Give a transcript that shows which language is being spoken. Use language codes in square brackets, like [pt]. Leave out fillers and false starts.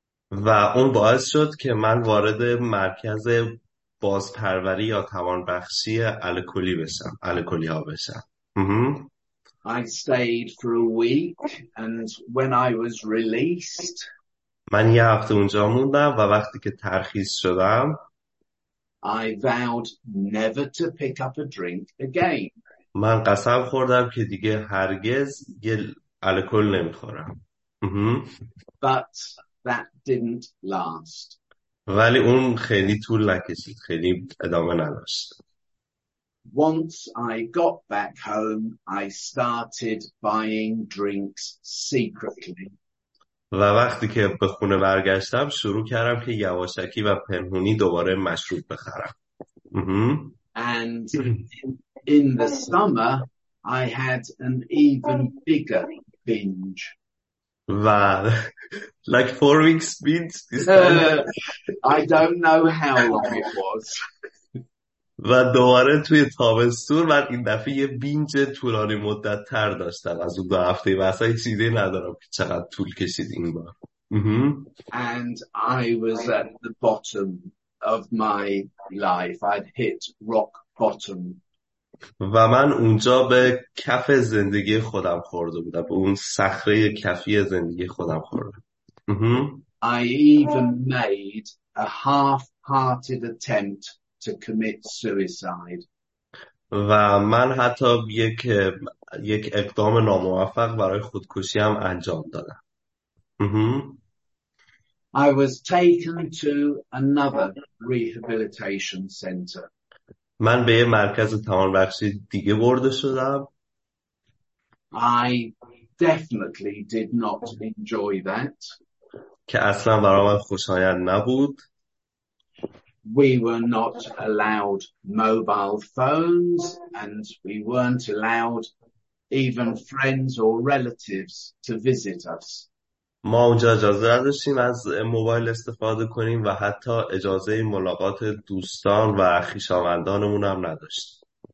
[fa] و اون باعث شد که من وارد مرکز بازپروری یا توانبخشی الکلی بشم، الکلی ها بشم. [en] I stayed for a week and when I was released, [fa] من یه هفته اونجا موندم و وقتی که ترخیص شدم [en] I vowed never to pick up a drink again. [fa] من قسم خوردم که دیگه هرگز یه الکل نمیخورم. [en] But that didn't last. [fa] ولی اون خیلی طول نکشید، خیلی ادامه نداشت. [en] Once I got back home, I started buying drinks secretly. [fa] و وقتی که به خونه برگشتم شروع کردم که یواشکی و پنهونی دوباره مشروب بخرم. [en] And in the summer, I had an even bigger binge. Wow. Like 4 weeks binge this time. I don't know how long it was. [fa] و دوباره توی تابستون من این دفعه یه بینج طولانی مدت تر داشتم از اون دو هفته و اصلا چیزی ندارم که چقدر طول کشید این بار. [en] And I was at the bottom of my life. I'd hit rock bottom. [fa] و من اونجا به کف زندگی خودم خورده بودم، به اون صخره کفی زندگی خودم خورده. [en] I even made a half-hearted attempt to commit suicide. [fa] و من حتی یک اقدام ناموفق برای خودکشی هم انجام دادم. [en] I was taken to another rehabilitation center. [fa] من به یه مرکز توانبخشی دیگه برده شدم. [en] I definitely did not enjoy that. [fa] که اصلا برای من خوشایند نبود. [en] We were not allowed mobile phones and we weren't allowed even friends or relatives to visit us. [fa] ما اونجا اجازه نداشتیم از موبایل استفاده کنیم و حتی اجازه ملاقات دوستان و خویشاوندانمون هم نداشتیم.